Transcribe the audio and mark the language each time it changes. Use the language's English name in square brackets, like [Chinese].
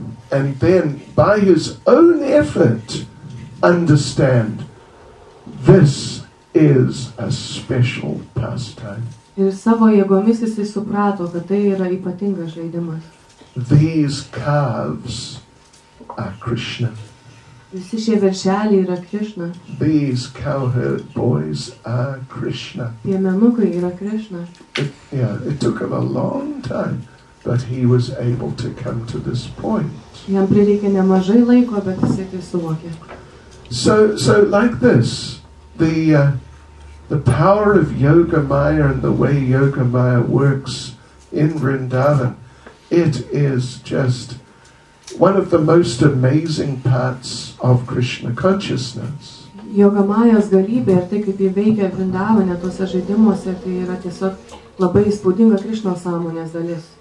[English] And then, by his own effort, understand this is a special pastime. [Lithuanian] Ir savo jėgomis jisai suprato, kad tai yra ypatingas žaidimas. [English] These calves are Krishna. [Lithuanian] Visi šie veršeliai yra Krishna. [English] These cowherd boys are Krishna. [Lithuanian] Piemenukai yra Krishna. [English] It took him a long time. But he was able to come to this point. [Lithuanian] Jam prireikė nemažai laiko, bet jis tai suvokė. [English] So like this, the power of Yoga Maya and the way Yoga Maya works in Vrindavan, it is just one of the most amazing parts of Krishna consciousness. [Lithuanian] Yoga Mayos galybė ir tai, kaip ji veikia Vrindavane tuose žaidimuose, tai yra tiesiog labai įspūdinga Krishna sąmonės dalis.